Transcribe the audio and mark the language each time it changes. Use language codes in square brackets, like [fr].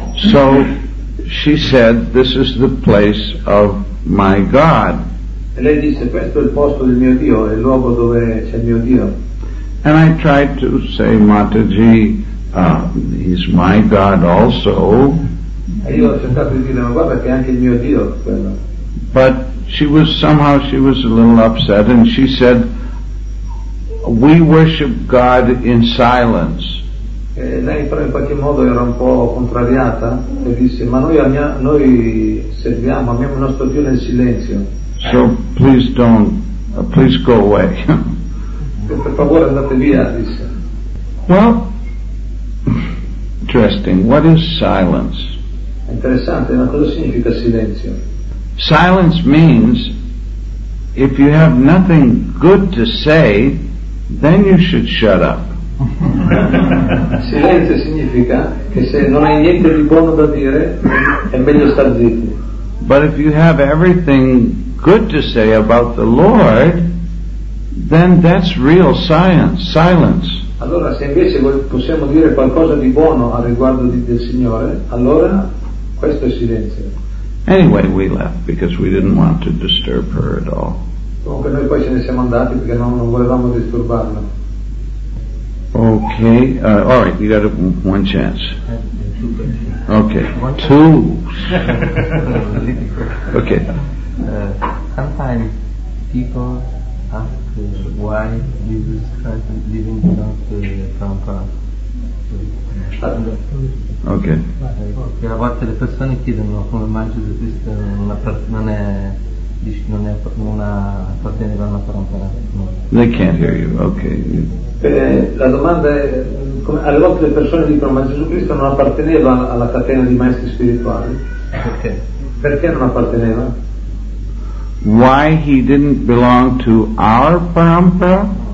[en] So she said, "This is the place of my God." [it] E lei disse, "Questo è il posto del mio Dio, è il luogo dove c'è il mio Dio." [en] And I tried to say, "Mataji, he's my God also." [it] E io ho cercato di dire, "Ma guarda che è anche il mio Dio quello." [en] But she was a little upset, and she said, "We worship God in silence." [it] E lei però in qualche modo era un po' contrariata e disse, "Ma noi serviamo, amiamo il nostro Dio nel silenzio." [en] So please go away. [it] Per favore andate via, disse. [en] Well, interesting. What is silence? [it] Interessante, ma cosa significa silenzio? [en] Silence means if you have nothing good to say, then you should shut up. [it] Silenzio significa che se non hai niente di buono da dire, è meglio star zitti. [en] But if you have everything good to say about the Lord, then that's real silence. [it] Allora, se invece possiamo dire qualcosa di buono a riguardo del Signore, allora questo è silenzio. [en] Anyway, we left because we didn't want to disturb her at all. [it] Comunque noi poi ce ne siamo andati perché non volevamo disturbarla. [en] Okay, all right, you got one chance. Okay, two. Okay. Sometimes people ask why Jesus Christ didn't come to the temple. Okay. [it] A volte le persone chiedono come mai Gesù Cristo non appartiene a una parentela. [en] They can't hear you. Okay. [it] La domanda è, alle volte le persone dicono, ma Gesù Cristo non apparteneva alla catena di maestri spirituali? Perché non apparteneva? [en] Why he didn't belong to our parampara?